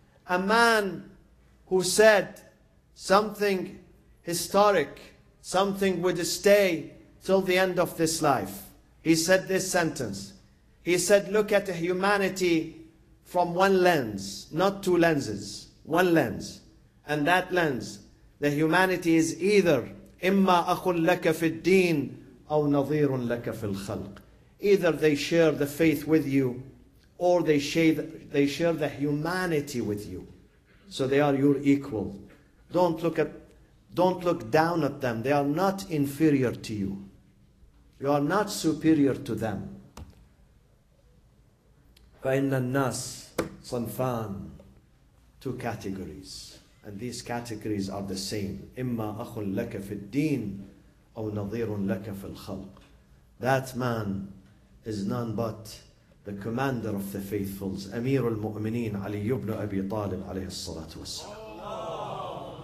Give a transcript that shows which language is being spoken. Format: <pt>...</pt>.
<en>A man who said something historic, something would stay till the end of this life. He said this sentence. He said, look at humanity from one lens, not two lenses, one lens. And that lens, the humanity is either</en> <ar>إِمَّا أَخٌ لَكَ فِي الدِّينِ أَوْ نَظِيرٌ لَكَ فِي الْخَلْقِ.</ar> <en>Either they share the faith with you, or they share the humanity with you. So they are your equal. Don't look down at them. They are not inferior to you. You are not superior to them.</en> <ar>فَإِنَّ النَّاسِ صَنْفَانِ,</ar> <en>two categories. And these categories are the same.</en> <ar>إِمَّا أَخٌ لَكَ فِي الدِّينِ أَوْ نَظِيرٌ لَكَ فِي الْخَلْقِ.</ar> <en>That man is none but the commander of the faithfuls,</en> <ar>أمير المؤمنين علي بن أبي طالب عليه الصلاة والسلام.</ar>